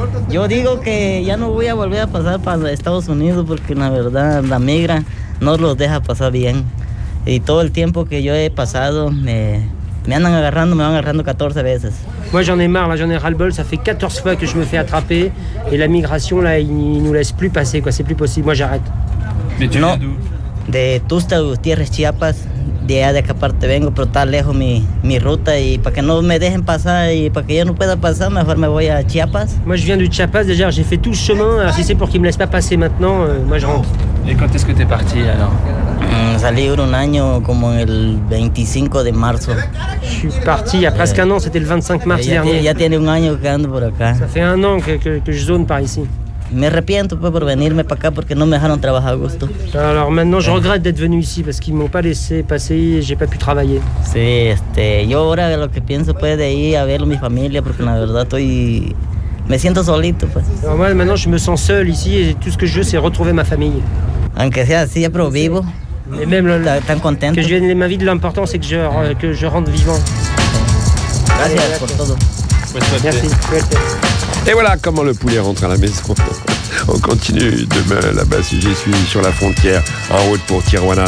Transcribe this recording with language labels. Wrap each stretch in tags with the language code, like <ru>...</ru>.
<es>Yo digo que ya no voy a volver a pasar para Estados Unidos porque la verdad la migra no los deja pasar bien. Y todo el tiempo que yo he pasado me andan agarrando, me van agarrando 14 veces.</es> <fr>Moi j'en ai marre, là j'en ai ras-le-bol, ça fait 14 fois que je me fais attraper et la migration là ils nous laissent plus passer quoi, c'est plus possible, moi j'arrête. Mais tu viens d'où?</fr> <es>De Tuxtla Gutiérrez, Chiapas. De allá de acá parte vengo, pero está lejos mi ruta y para que no me dejen pasar y para que yo no pueda pasar, mejor me voy a Chiapas.</es> <fr>Moi je viens du Chiapas, déjà j'ai fait tout ce chemin, alors si c'est pour qu'ils me laissent pas passer maintenant, moi je rentre. Et quand est-ce que t'es parti alors?</fr> <es>Salí un año como el 25 de marzo.</es> <fr>Je suis parti il y a presque un an, c'était le 25 mars dernier.</fr> <es>Ya tiene un año que ando por acá.</es> <fr>Ça fait un an que je zone par ici.</fr> <es>Me arrepiento pues por venirme para acá porque no me dejaron trabajar a gusto.</es> <fr>Alors maintenant je regrette d'être venu ici parce qu'ils m'ont pas laissé passer et j'ai pas pu travailler.</fr> <es>Sí, yo ahora lo que pienso pues de ir a ver a mi familia porque la verdad estoy me siento solito pues.</es> <fr>Alors moi maintenant je me sens seul ici et tout ce que je veux c'est retrouver ma famille.</fr> <es>Aunque sea así, pero vivo.</es> <fr>Et même</fr> <es>tan contento.</es> <fr>Que je vienne de ma vie, l'important c'est que je rentre vivant.</fr> <es>Gracias por todo.</es> <fr>Merci. Et voilà comment le poulet rentre à la maison. On continue demain là-bas si j'y suis sur la frontière en route pour Tijuana.</fr>